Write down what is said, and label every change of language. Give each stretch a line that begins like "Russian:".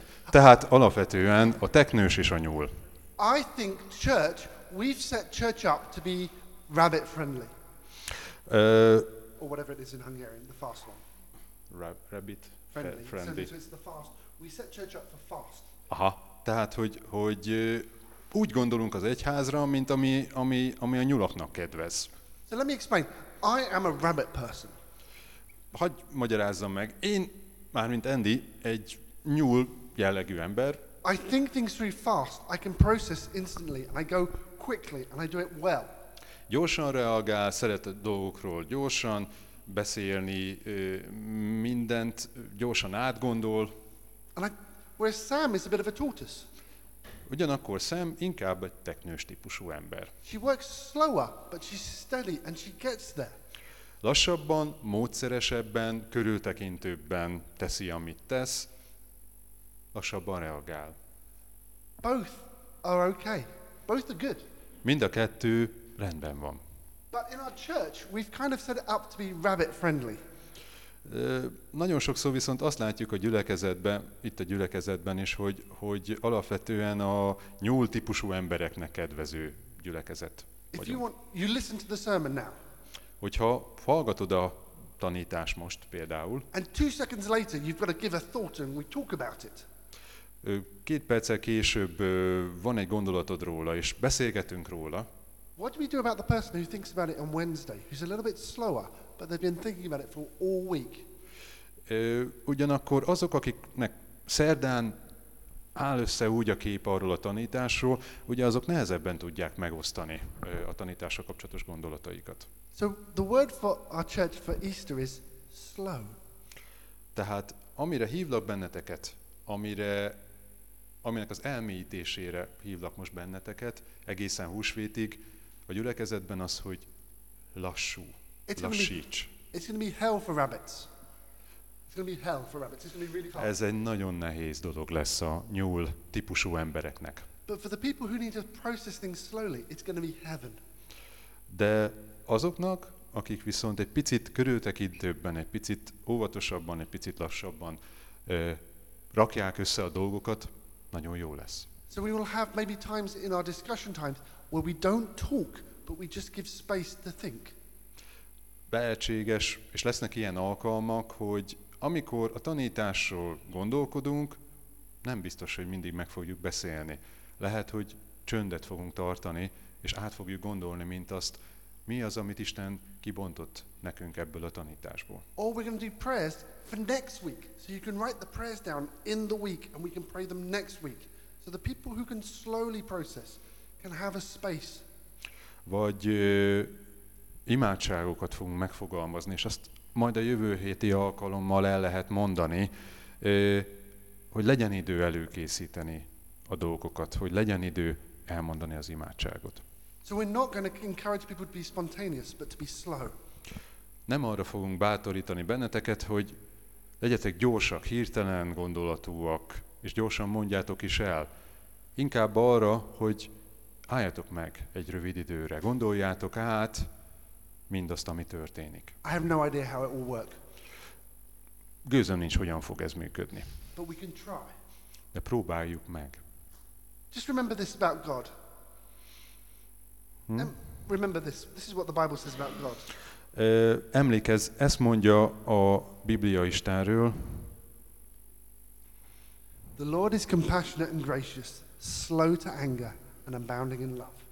Hungarian: Tehát alapvetően a teknős és a nyúl.
English: I think church, we've set church up to be rabbit friendly. Or whatever it is in Hungarian, the fast one. Rabbit friendly. So it's the fast. We set church up for fast. Aha.
Hungarian: Tehát, hogy úgy gondolunk az egyházra, mint ami a nyulaknak kedvez.
English: So let me explain. I am a rabbit person.
Hungarian: Hogy magyarázzam meg. Én, mármint Andy, egy nyúl jellegű ember.
English: I think things through fast. I can process instantly and I go quickly and I do it well.
Hungarian: Gyorsan reagál, szeret a dolgokról gyorsan beszélni, mindent gyorsan átgondol.
English: Whereas Sam is a bit of a tortoise.
Hungarian: Ugyanakkor Sam inkább egy teknős típusú ember.
English: She works slower, but she's steady and she gets there.
Hungarian: Lassabban, módszeresebben, körültekintőbben teszi, amit tesz. Lassabban reagál.
English: Both are okay. Both are good.
Hungarian: Mind a kettő rendben van.
English: But in our church, we've kind of set it up to be rabbit friendly.
Hungarian: Nagyon sokszor viszont azt látjuk a gyülekezetben, itt a gyülekezetben is, hogy alapvetően a nyúl típusú embereknek kedvező gyülekezet vagyunk.
English: If you want, you listen to the sermon now.
Hungarian: Hogyha hallgatod a tanítást most például,
English: and 2 seconds later you've got to give a thought and we talk about it.
Hungarian: 2 perccel később van egy gondolatod róla és beszélgetünk róla.
English: What do we do about the person who thinks about it on Wednesday, who's a little bit slower? But they've been thinking about it for all week.
Hungarian: Ugyanakkor azok, akiknek szerdán áll össze úgy a kép arról a tanításról, ugye azok nehezebben tudják megosztani a tanítással kapcsolatos gondolataikat.
English: So the word for our church for Easter is slow.
Hungarian: Tehát amire hívlak benneteket, aminek az elmélyítésére hívlak most benneteket, egészen húsvétig, a gyülekezetben az, hogy lassú,
English: it's
Hungarian: lassíts.
English: It's going to be hell for rabbits. It's going to be hell for rabbits. It's going to be really hard.
Hungarian: Ez egy nagyon nehéz dolog lesz a nyúl típusú embereknek.
English: But for the people who need to process things slowly, it's going to be heaven.
Hungarian: De azoknak, akik viszont egy picit körültekintőbben, egy picit óvatosabban, egy picit lassabban rakják össze a dolgokat, nagyon jó lesz.
English: So we will have maybe times in our discussion times where we don't talk, but we just give space to think.
Hungarian: Lehetséges, és lesznek ilyen alkalmak, hogy amikor a tanításról gondolkodunk, nem biztos, hogy mindig meg fogjuk beszélni. Lehet, hogy csöndet fogunk tartani, és át fogjuk gondolni, mint azt, mi az, amit Isten kibontott nekünk ebből a tanításból.
English: Or we're going to do prayers for next week. So you can write the prayers down in the week, and we can pray them next week. So the people who can slowly process can have a space.
Hungarian: Vagy imádságokat fogunk megfogalmazni, és azt majd a jövő héti alkalommal el lehet mondani, hogy legyen idő előkészíteni a dolgokat, hogy legyen idő elmondani az imádságot.
English: So we're not going to encourage people to be spontaneous, but to be slow.
Hungarian: Nem arra fogunk bátorítani benneteket, hogy legyetek gyorsak, hirtelen gondolatúak, és gyorsan mondjátok is el. Inkább arra, hogy álljatok meg egy rövid időre, gondoljátok át mindazt, ami történik.
English: I have no idea how it will work.
Hungarian: Gőzöm nincs, hogyan fog ez működni.
English: But we can try.
Hungarian: De próbáljuk meg.
English: Just remember this about God. Hmm? Remember this. This is what the Bible says about God.
Hungarian: Emlékezz, ezt mondja a Biblia Istenről.
English: The Lord is compassionate and gracious, slow to anger and abounding in love.